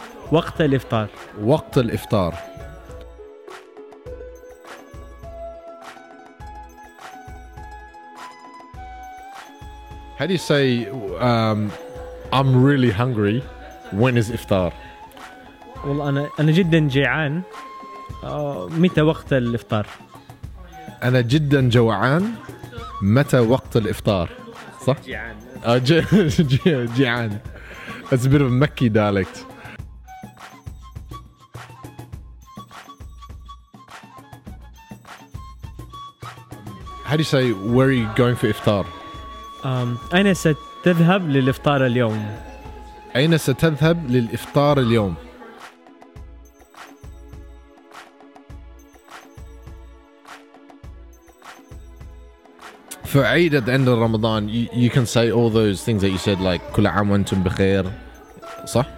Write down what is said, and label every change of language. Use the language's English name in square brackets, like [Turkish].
[Arabic] Waqt al-iftar. Waqt al-iftar. [English] How do you say, I'm really hungry, when is iftar? [Arabic] والله أنا جدا جيعان متى وقت الإفطار؟ أنا جدا جوعان متى وقت الإفطار؟ صح؟ جيعان. [English] It's a bit of a Mecki dialect. How do you say where are you going for إفطار؟ [Arabic] أين ستذهب للإفطار اليوم؟ أين ستذهب للإفطار اليوم؟ [English] For Eid at the end of Ramadan, you can say all those things that you said, like [Arabic] كل عام وأنتم بخير, [English] صح؟